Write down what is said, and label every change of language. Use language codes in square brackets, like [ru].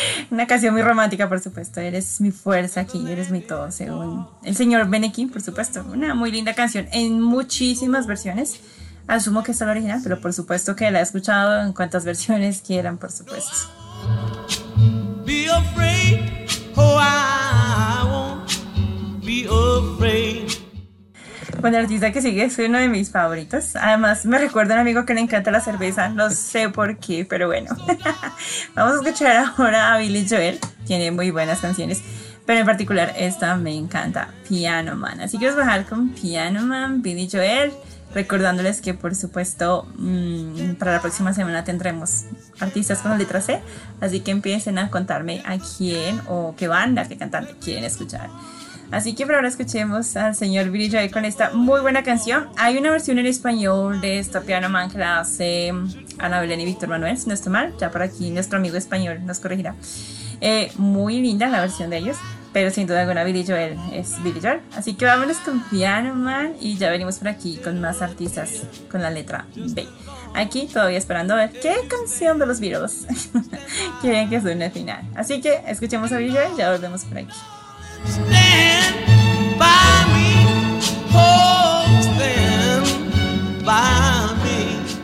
[es] Una canción muy romántica, por supuesto. Eres mi fuerza aquí, eres mi todo, según el señor Benny King, por supuesto. Una muy linda canción en muchísimas versiones. Asumo que está la original, pero por supuesto que la he escuchado en cuantas versiones quieran, por supuesto. [en] Be afraid, oh, I won't be afraid. [es] con el artista que sigue, es uno de mis favoritos. Además, me recuerda a un amigo que le encanta la cerveza, no sé por qué, pero bueno. Vamos a escuchar ahora a Billy Joel, tiene muy buenas canciones, pero en particular esta me encanta, Piano Man. Así que os voy a dejar con Piano Man, Billy Joel, recordándoles que, por supuesto, para la próxima semana tendremos artistas con la letra C, así que empiecen a contarme a quién o qué banda, qué cantante quieren escuchar. Así que por ahora escuchemos al señor Billy Joel con esta muy buena canción. Hay una versión en español de esta Piano Man que la hace Ana Belén y Víctor Manuel, si no está mal, ya por aquí nuestro amigo español nos corregirá. Muy linda la versión de ellos, pero sin duda alguna Billy Joel es Billy Joel. Así que vámonos con Piano Man y ya venimos por aquí con más artistas con la letra B. Aquí todavía esperando a ver qué canción de los Beatles quieren que suene al final. Así que escuchemos a Billy Joel y ya volvemos por aquí. [en] Stand by me, hold, stand by me.